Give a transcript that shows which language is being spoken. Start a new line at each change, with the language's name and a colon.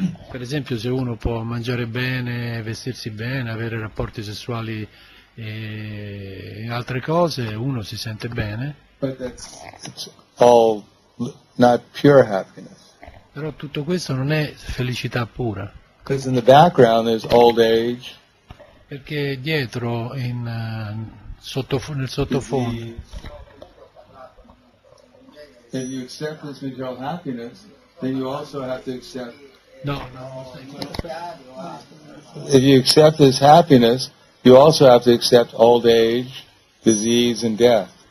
Italian: Per esempio, se uno può mangiare bene, vestirsi bene, avere rapporti sessuali e altre cose, uno si sente bene.
English: But that's all not pure happiness.
Italian: Però tutto questo non è felicità pura.
English: Because in the background there's old age.
Italian: Perché dietro nel sottofondo.
English: If you accept this material happiness, then you also have to accept. No. If you accept this happiness, you also have to accept old age, disease, and death.